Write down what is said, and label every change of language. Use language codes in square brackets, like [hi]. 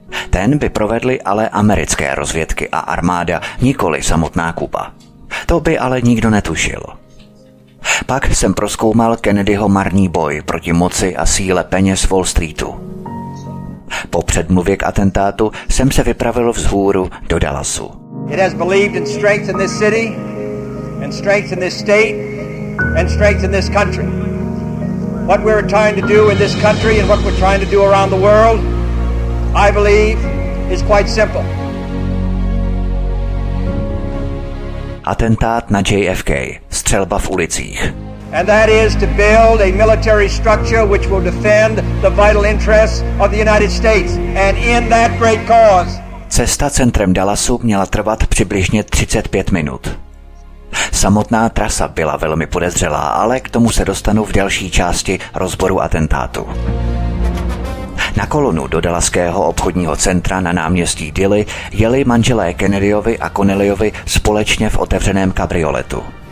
[cs] Ten by provedli ale americké rozvědky a armáda, nikoli samotná Kuba. To by ale nikdo netušil. Pak jsem prozkoumal Kennedyho marný boj proti moci a síle peněz Wall Streetu. Po předmluvě k atentátu jsem se vypravil vzhůru do Dallasu. [en] It has believed in strength in this city, and strength in this state, and strength in this country. What we're trying to do in this country and what we're trying to do around the world, I believe, is quite simple. [cs] Atentát na JFK, střelba v ulicích. [en] And that is to build a military structure which will defend the vital interests of the United States and in that great cause. [cs] Cesta centrem Dallasu měla trvat přibližně 35 minut. Samotná trasa byla velmi podezřelá, ale k tomu se dostanu v další části rozboru atentátu. Na kolonu do dallaského obchodního centra na náměstí Dilly jeli manželé Kennedyovi a Connellyovi společně v otevřeném kabrioletu.